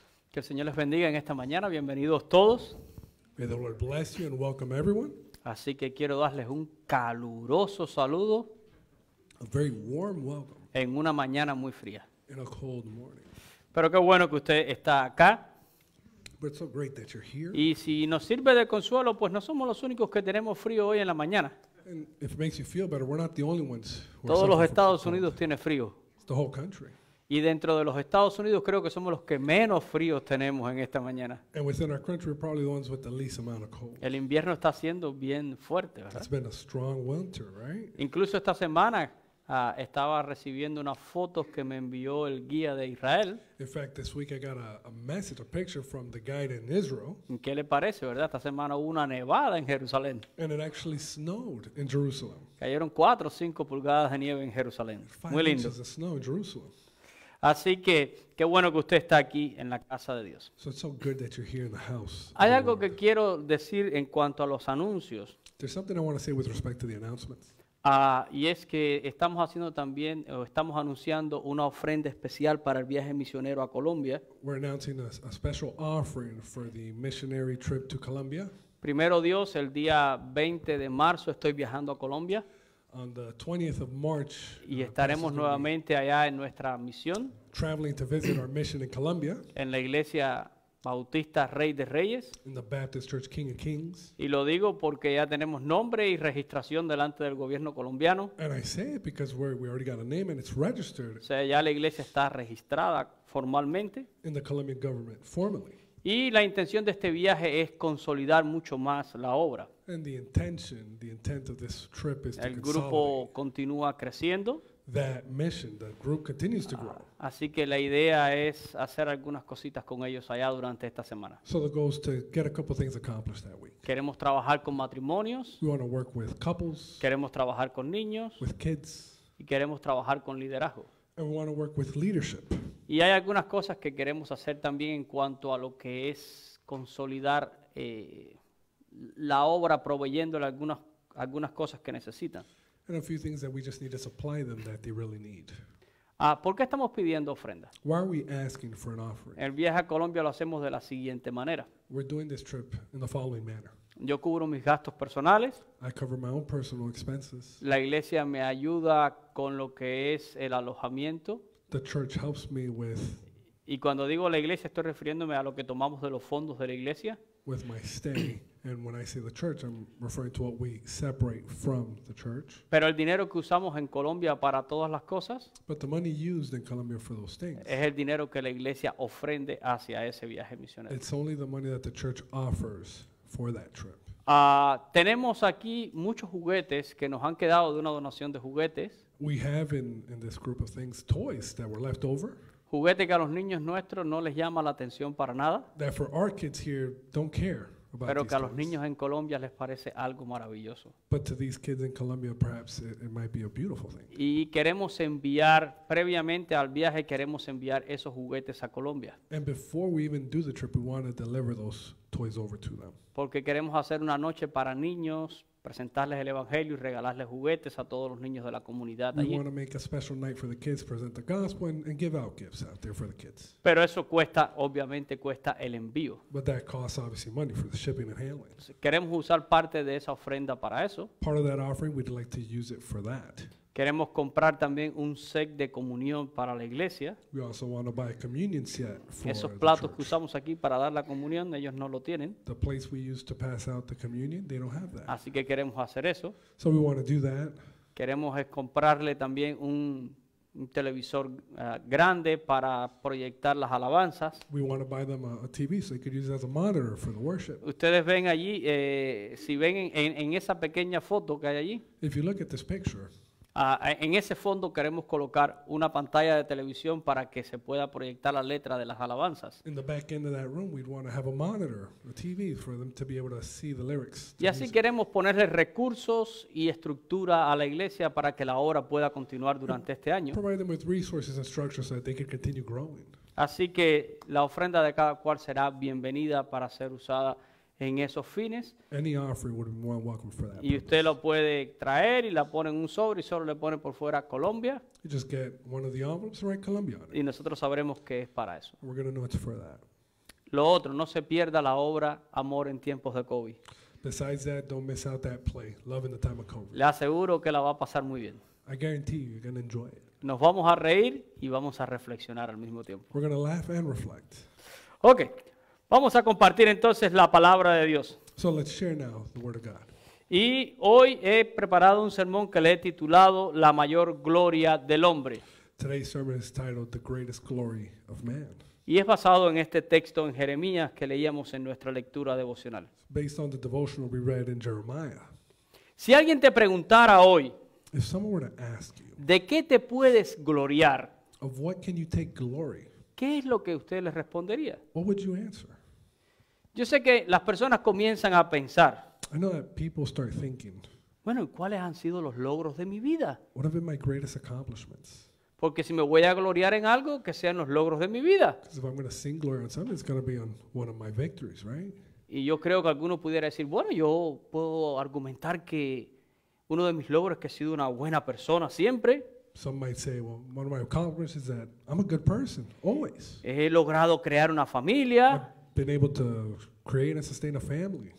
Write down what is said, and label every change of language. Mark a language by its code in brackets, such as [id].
[es] Que el Señor les bendiga en esta mañana. Bienvenidos todos. [en] May the Lord bless you and welcome everyone. [es] Así que quiero darles un caluroso saludo. [en] A very warm welcome. [es] En una mañana muy fría. [en] In a cold morning. [es] Pero qué bueno que usted está acá. [en] But it's so great that you're here. [es] Y si nos sirve de consuelo, pues no somos los únicos que tenemos frío hoy en la mañana. [en] And if it makes you feel better, we're not the only ones. [es] Todos los Estados Unidos tienen frío. [en] It's the whole country. [es] Y dentro de los Estados Unidos creo que somos los que menos fríos tenemos en esta mañana. [en] Country, [es] el invierno está siendo bien fuerte, ¿verdad? [en] It's been a strong winter, right? [es] Incluso esta semana estaba recibiendo unas fotos que me envió el guía de Israel. [en] In fact, this week I got a message, a picture from the guide in Israel. [es] ¿Qué le parece, verdad? Esta semana hubo una nevada en Jerusalén. [en] And it actually snowed in Jerusalem. [es] Cayeron 4 o 5 pulgadas de nieve en Jerusalén. Muy lindo. [en] Inches of snow in Jerusalem. [es] Así que, qué bueno que usted está aquí en la casa de Dios. [en] So it's so good that you're here in the house. [es] Hay algo que quiero decir en cuanto a los anuncios. [en] There's something I want to say with respect to the announcements. [es] Y es que estamos haciendo también, o estamos anunciando una ofrenda especial para el viaje misionero a Colombia. [en] We're announcing a special offering for the missionary trip to Colombia. [es] Primero Dios, el día 20 de marzo estoy viajando a Colombia. [en] On the 20th of March, [es] y estaremos nuevamente allá en nuestra misión. [en] Traveling to visit our mission in Colombia. [es] En la iglesia Bautista Rey de Reyes. [en] In the Baptist Church, King of Kings. [es] Y lo digo porque ya tenemos nombre y registración delante del gobierno colombiano. [en] And I say it because we already got a name and it's registered. [es] O sea, ya la iglesia está registrada formalmente. [en] In the Colombian government, formally. [es] Y la intención de este viaje es consolidar mucho más la obra. [en] And the intention, the intent of this trip is [es] el grupo [en] to consolidate. [es] Continúa creciendo. [en] That mission, that group continues to grow. [es] Así que la idea es hacer algunas cositas con ellos allá durante esta semana. [en] So the goal is to get a couple things accomplished that week. [es] Queremos trabajar con matrimonios. [en] We want to work with couples. [es] Queremos trabajar con niños. [en] With kids. [es] Y queremos trabajar con liderazgo. [en] And we want to work with leadership. [es] Y hay algunas cosas que queremos hacer también en cuanto a lo que es consolidar la obra proveyéndole algunas cosas que necesitan. [en] And a few things that we just need to supply them that they really need. [es] ¿Por qué estamos pidiendo ofrenda? [en] Why are we asking for an offering? [es] El viaje a Colombia lo hacemos de la siguiente manera. [en] We're doing this trip in the following manner. [es] Yo cubro mis gastos personales. [en] I cover my own personal expenses. [es] La iglesia me ayuda con lo que es el alojamiento. [en] The church helps me with. [es] Y cuando digo la iglesia, estoy refiriéndome a lo que tomamos de los fondos de la iglesia. [en] With my stay. And when I say the church, I'm referring to what we separate from the church. [es] Pero el dinero que usamos en Colombia para todas las cosas. [en] But the money used in Colombia for those things. [es] Es el dinero que la iglesia ofrende hacia ese viaje misionero. [en] It's only the money that the church offers for that trip. [es] Tenemos aquí muchos juguetes que nos han quedado de una donación de juguetes. [en] We have in this group of things toys that were left over. [es] Juguetes que a los niños nuestros no les llama la atención para nada. [en] That for our kids here don't care. [es] Pero que a los [en] toys. [es] Niños en Colombia les parece algo maravilloso. [en] But to these kids in Colombia, perhaps it might be a beautiful thing. [es] Y queremos enviar, previamente al viaje, queremos enviar esos juguetes a Colombia. [en] And before we even do the trip, we want to deliver those toys over to them. [es] Porque queremos hacer una noche para niños, presentarles el evangelio y regalarles juguetes a todos los niños de la comunidad [en] allí. We want to make a special night for the kids, present the gospel and give out gifts out there for the kids. [es] Pero eso cuesta, obviamente cuesta el envío. [en] But that costs obviously money for the shipping and handling. [es] Queremos usar parte de esa ofrenda para eso. [en] Part of that offering, we'd like to use it for that. [es] Queremos comprar también un set de comunión para la iglesia. [en] We also want to buy a communion set for the [es] esos platos [en] the church. [es] Que usamos aquí para dar la comunión, ellos no lo tienen. [en] The place we use to pass out the communion, they don't have that. [es] Así que queremos hacer eso. [en] So we want to do that. [es] Queremos comprarle también un televisor grande para proyectar las alabanzas. [en] We want to buy them a TV so they could use it as a monitor for the worship. [es] Ustedes ven allí, si ven en esa pequeña foto que hay allí. [en] If you look at this picture. [es] En ese fondo queremos colocar una pantalla de televisión para que se pueda proyectar la letra de las alabanzas. [en] In the back end of that room, we'd want to have a monitor, a TV, for them to be able to see the lyrics. [es] Y así queremos ponerle recursos y estructura a la iglesia para que la obra pueda continuar durante este año. [en] Provide them with resources and structures so that they can continue growing. [es] Así que la ofrenda de cada cual será bienvenida para ser usada en esos fines. [en] Any offering would be more than welcome for that. [es] Y usted lo puede traer y la pone en un sobre y solo le pone por fuera Colombia. [en] You just get one of the envelopes and write Colombia on it. [es] Y nosotros sabremos que es para eso. [en] We're going to know it's for that. [es] Lo otro, no se pierda la obra Amor en tiempos de COVID. [en] Besides that, don't miss out that play, Love in the Time of COVID. [es] Le aseguro que la va a pasar muy bien. [en] I guarantee you, you're going to enjoy it. [es] Nos vamos a reír y vamos a reflexionar al mismo tiempo. [en] We're going to laugh and reflect. Okay. [es] Vamos a compartir entonces la palabra de Dios. [en] So let's share now the word of God. [es] Y hoy he preparado un sermón que le he titulado La mayor gloria del hombre. [en] Today's sermon is titled The Greatest Glory of Man. [es] Y es basado en este texto en Jeremías que leíamos en nuestra lectura devocional. [en] Based on the devotional we read in Jeremiah. [es] Si alguien te preguntara hoy, [en] if someone were to ask you, [es] ¿de qué te puedes gloriar? [en] Of what can you take glory? [es] ¿Qué es lo que usted le respondería? [en] What would you answer? [es] Yo sé que las personas comienzan a pensar. [en] I know that people start thinking. [es] Bueno, ¿cuáles han sido los logros de mi vida? [en] What have been my greatest accomplishments? [es] Porque si me voy a gloriar en algo, que sean los logros de mi vida. [en] Because if I'm going to sing glory on something, it's going to be on one of my victories, right? [es] Y yo creo que alguno pudiera decir, bueno, yo puedo argumentar que uno de mis logros es que he sido una buena persona siempre. [en] Some might say, well, one of my accomplishments is that I'm a good person, always. [es] He logrado crear una familia. [en] I've been able to create and sustain a family.